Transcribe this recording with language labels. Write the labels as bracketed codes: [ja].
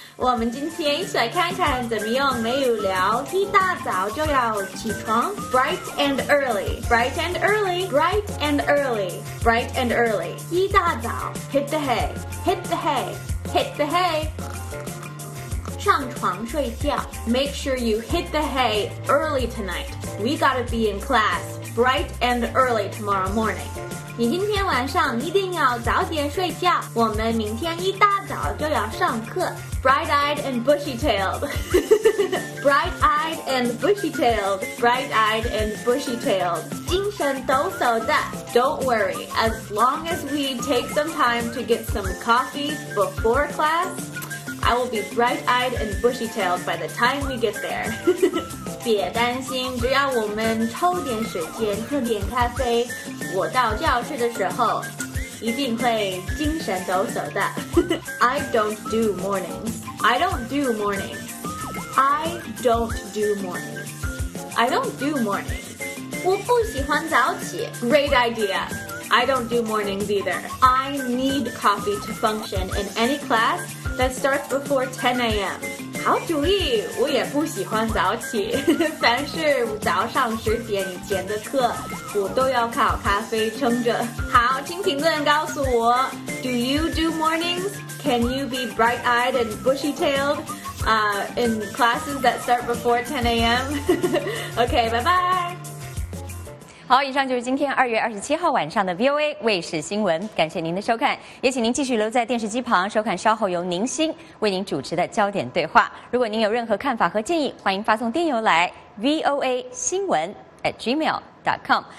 [zh] 我们今天一起来看看怎么用美语聊。一大早就要起床 [en] ，bright and early，bright and early，bright and early，bright and early。 [zh] 一大早 [en] ，hit the hay，hit the hay，hit the hay。 [zh] 上床睡觉 [en] ，make sure you hit the hay early tonight。 We gotta be in class bright and early tomorrow morning。 [zh] 你今天晚上一定要早点睡觉，我们明天一大早就要上课。 [en] Bright-eyed and bushy-tailed. Bright-eyed and bushy-tailed. Bright-eyed and bushy-tailed. [zh] 精神抖擞的。 [en] Don't worry, as long as we take some time to get some coffee before class, I will be bright-eyed and bushy-tailed by the time we get there. [zh] 别担心，只要我们抽点时间喝点咖啡，我到教室的时候一定会精神抖擞的。 [en] I don't do morning. I don't do morning. I don't do morning. I don't do morning. [zh] 我不喜欢早起。 [en] Great idea. I don't do mornings either. I need coffee to function in any class that starts before 10 a.m. [zh] 好主意，我也不喜欢早起。凡是早上十点以前的课，我都要靠咖啡撑着。好，请评论告诉我 ， [en] Do you do mornings? Can you be bright-eyed and bushy-tailed, in classes that start before 10 a.m.? Okay, bye bye. [zh] 好，以上就是今天2月27号晚上的 VOA 卫视新闻，感谢您的收看，也请您继续留在电视机旁收看稍后由宁馨为您主持的焦点对话。如果您有任何看法和建议，欢迎发送电邮来 voa 新闻@gmail.com。